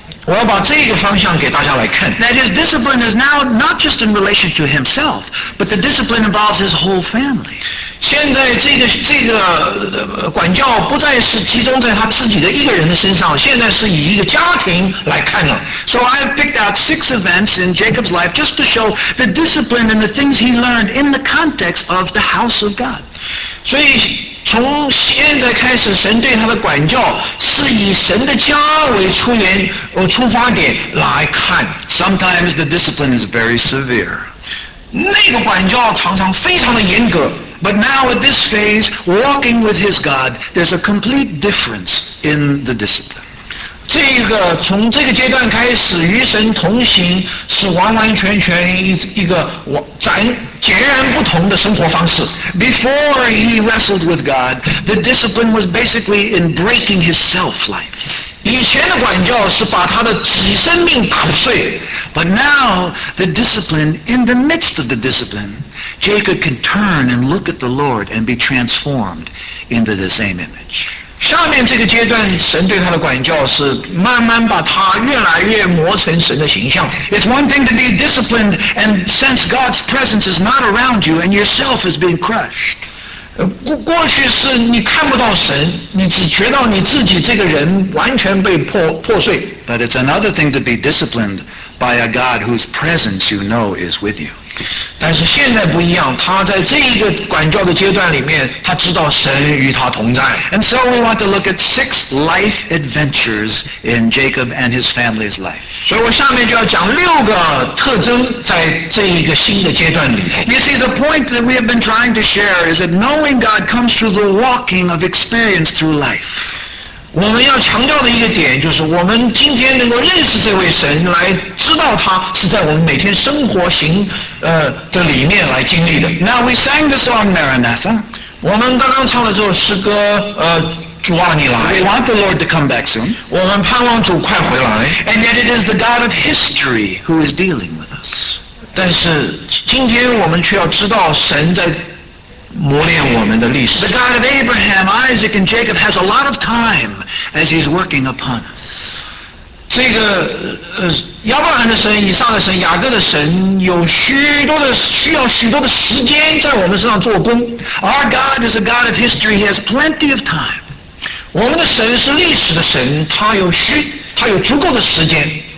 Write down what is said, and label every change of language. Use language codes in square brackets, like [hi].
[zh] 我要把这个方向给大家来看。 [en] That his discipline is now not just in relation to himself, but the discipline involves his whole family. [zh] 现在这个管教不再是集中在他自己的一个人的身上，现在是以一个家庭来看了。 [en] So I've picked out six events in Jacob's life just to show the discipline and the things he learned in the context of the house of God. [zh] 所以从现在开始神对他的管教是以神的家为出发点来看。 [en] Sometimes the discipline is very severe. [zh] 那个管教常常非常的严格。 [en] But now at this phase, walking with his God, there's a complete difference in the discipline. [zh] 这个从这个阶段开始与神同行是完完全全一个截然不同的生活方式。 [en] Before he wrestled with God, the discipline was basically in breaking his self-life. [zh] 以前的管教是把他的己生命打碎。 [en] But now, the discipline, in the midst of the discipline, Jacob can turn and look at the Lord and be transformed into the same image. [zh] 下面这个阶段神对他的管教是慢慢把他越来越磨成神的形象。 [en] It's one thing to be disciplined and sense God's presence is not around you and yourself is being crushed. [zh] 过去是你看不到神，你只觉得你自己这个人完全被 破碎。 [en] But it's another thing to be disciplined by a God whose presence you know is with you. [zh] 但是现在不一样，他在这一个管教的阶段里面，他知道神与他同在。 [en] And so we want to look at six life adventures in Jacob and his family's life. [zh] 所以我下面就要讲六个特征在这一个新的阶段里面。 [en] You see, the point that we have been trying to share is that knowing God comes through the walking of experience through life. [zh] 我们要强调的一个点就是我们今天能够认识这位神来知道他是在我们每天生活行的里面来经历的。 [en] Now we sang the song Maranatha. [zh] 我们刚刚唱了这首诗歌主啊你来。 [en] We want the Lord to come back soon. [zh] 我们盼望主快回来。 [en] And yet it is the God of history who is dealing with us. [zh] 但是今天我们却要知道神在磨练我们的历史。 [en] The God of Abraham, Isaac, and Jacob has a lot of time as he's working upon us. [zh] 这个亚伯拉罕的神、以撒的神、雅各的神有需要许多的时间在我们身上做工。 [en] Our God is a God of history. He has plenty of time. [zh] 我们的神是历史的神，他有足够的时间。